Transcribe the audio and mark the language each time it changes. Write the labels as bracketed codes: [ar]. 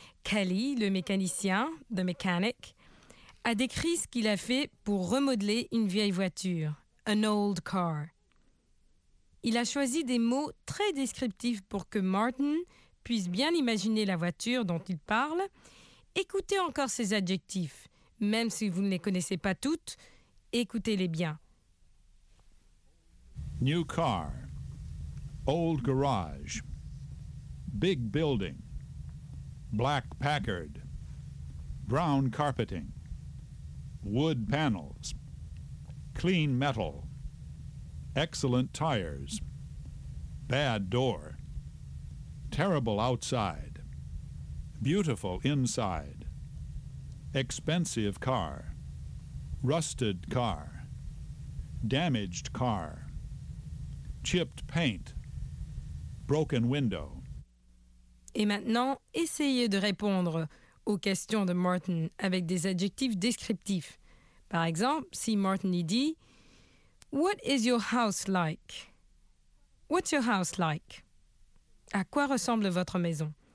[fr] Kelly, le mécanicien, [en] the mechanic, [fr] a décrit ce qu'il a fait pour remodeler une vieille voiture, [en] an old car. [fr] Il a choisi des mots très descriptifs pour que Martin puisse bien imaginer la voiture dont il parle. Écoutez encore ces adjectifs, même si vous ne les connaissez pas toutes, écoutez-les bien. [en] New car, old garage, big building, black Packard, brown carpeting, wood panels, clean metal, excellent tires, bad door, terrible outside, beautiful inside, expensive car, rusted car, damaged car, chipped paint, broken window. [fr] Et maintenant, essayez de répondre aux questions de Martin avec des adjectifs descriptifs. Par exemple, si Martin y dit « [en] What is your house like? » « What's your house like? [fr] » À quoi ressemble votre maison?